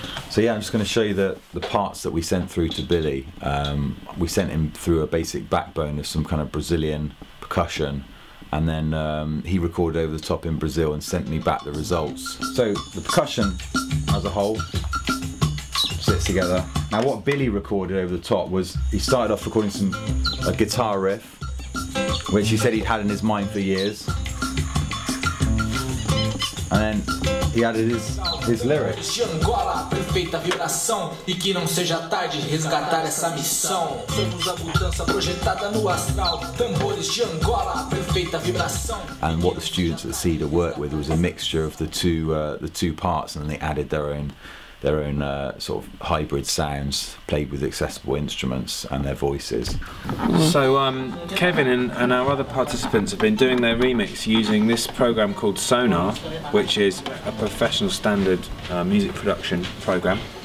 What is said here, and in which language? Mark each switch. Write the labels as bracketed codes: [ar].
[en] So yeah, I'm just going to show you the parts that we sent through to Billy. We sent him through a basic backbone of some kind of Brazilian percussion, and then he recorded over the top in Brazil and sent me back the results. So the percussion as a whole sits together. Now what Billy recorded over the top was, he started off recording a guitar riff, which he said he'd had in his mind for years. And then he added his lyrics. [pt] De Angola, perfeita vibração, e que não seja tarde resgatar essa missão. Somos a mudança projetada no astral, tambores de Angola, perfeita vibração. [en] And what the students at CEDA worked with was a mixture of the two parts, and they added their own sort of hybrid sounds, played with accessible instruments and their voices. So Kevin and our other participants have been doing their remix using this program called Sonar, which is a professional standard music production program.